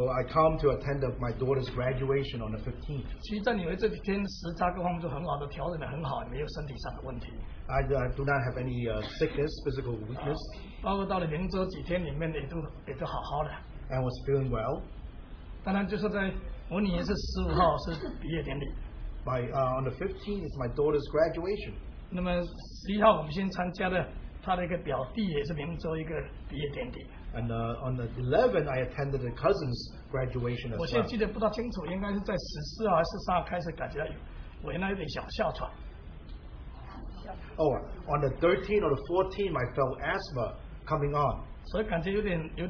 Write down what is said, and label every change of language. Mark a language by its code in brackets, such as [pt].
[en] I come to attend my daughter's graduation on the 15th. [zh] 其实在纽约这几天时差各方面都很好的调整得很好，没有身体上的问题。 [en] I do not have any sickness, physical weakness. [zh] 包括到了宁州几天里面也都好好的。 [en] I was feeling well. [zh] 当然就是在我女儿是15号是毕业典礼。 [en] On the 15th is my daughter's graduation. [zh] 那么11号我们先参加了她的一个表弟也是宁州一个毕业典礼。 [en] And on the 11th, I attended a cousin's graduation as well. [zh] 我现在记得不大清楚，应该是在14号还是13号开始感觉到我原来有点小哮喘。 [en] Oh, on the 13th or the 14th, I felt asthma coming on.